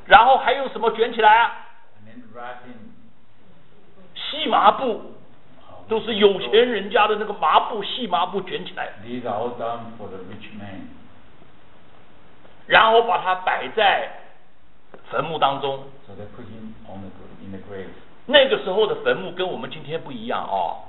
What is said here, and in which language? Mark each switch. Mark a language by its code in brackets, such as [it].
[zh] 然后还用什么卷起来啊？ [en] And then wrap in [zh] 细麻布，都是有钱人家的那个麻布，细麻布卷起来。 [en] These are all done for the rich man. [zh] 然后把它摆在坟墓当中。 [en] So they put him on the grave, in the grave. [zh] 那个时候的坟墓跟我们今天不一样哦。